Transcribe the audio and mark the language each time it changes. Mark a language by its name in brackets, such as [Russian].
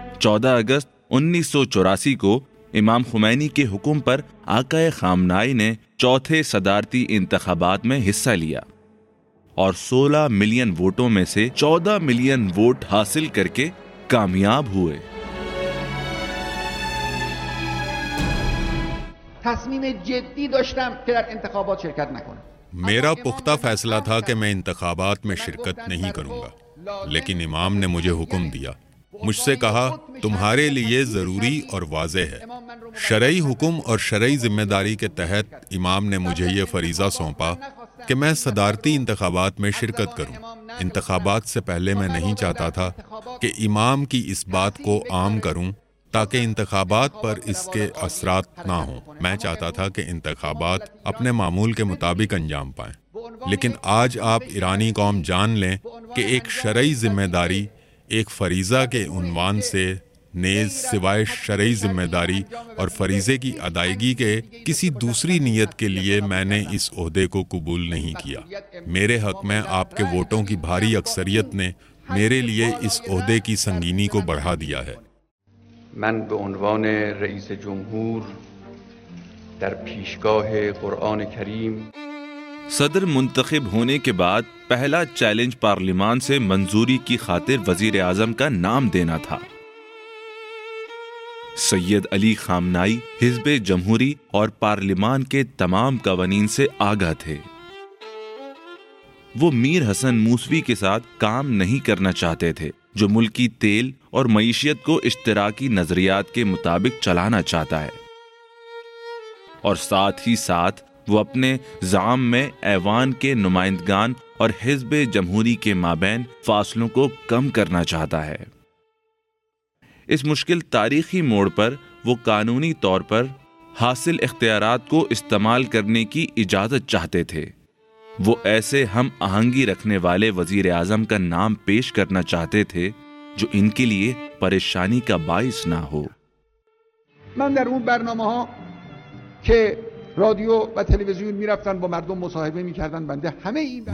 [Urdu] اگست 1984 کو امام خمینی کے حکم پر آقا خامنائی نے چوتھے صدارتی انتخابات میں حصہ لیا اور 16 ملین ووٹوں میں سے 14 ملین ووٹ حاصل کر کے کامیاب ہوئے۔ [Persian] تصمیم جدی داشتم که در انتخابات شرکت نکنم۔ [Urdu] میرا پختہ فیصلہ تھا کہ میں انتخابات میں شرکت نہیں کروں گا، لیکن امام نے مجھے حکم دیا، مجھ سے کہا تمہارے لیے ضروری اور واضح ہے، شرعی حکم اور شرعی ذمہ داری کے تحت امام نے مجھے یہ فریضہ سونپا کہ میں صدارتی انتخابات میں شرکت کروں۔ انتخابات سے پہلے میں نہیں چاہتا تھا کہ امام کی اس بات کو عام کروں تاکہ انتخابات پر اس کے اثرات نہ ہوں، میں چاہتا تھا کہ انتخابات اپنے معمول کے مطابق انجام پائیں۔ لیکن آج آپ ایرانی قوم جان لیں کہ ایک شرعی ذمہ داری ایک فریضہ کے عنوان سے نیز سوائے شرعی ذمہ داری اور فریضے کی ادائیگی کے کسی دوسری نیت کے لیے میں نے اس عہدے کو قبول نہیں کیا۔ میرے حق میں آپ کے ووٹوں کی بھاری اکثریت نے میرے لیے اس عہدے کی سنگینی کو بڑھا دیا ہے۔ [Persian] من به عنوان رئیس جمهور در پیشگاه قرآن کریم۔ [Urdu] صدر منتخب ہونے کے بعد پہلا چیلنج پارلیمان سے منظوری کی خاطر وزیر اعظم کا نام دینا تھا۔ سید علی خامنائی حزب جمہوری اور پارلیمان کے تمام قوانین سے آگاہ تھے، وہ میر حسن موسوی کے ساتھ کام نہیں کرنا چاہتے تھے جو ملکی تیل اور معیشت کو اشتراکی نظریات کے مطابق چلانا چاہتا ہے، اور ساتھ ہی ساتھ وہ اپنے زعم میں ایوان کے نمائندگان اور حزب جمہوری کے مابین فاصلوں کو کم کرنا چاہتا ہے۔ اس مشکل تاریخی موڑ پر وہ قانونی طور پر حاصل اختیارات کو استعمال کرنے کی اجازت چاہتے تھے، وہ ایسے ہم آہنگی رکھنے والے وزیر اعظم کا نام پیش کرنا چاہتے تھے جو ان کے لیے پریشانی کا باعث نہ ہو۔ [Persian] من در اون برنامه ها که رادیو و تلویزیون میرفتن با مردم مصاحبه میکردن بنده همه این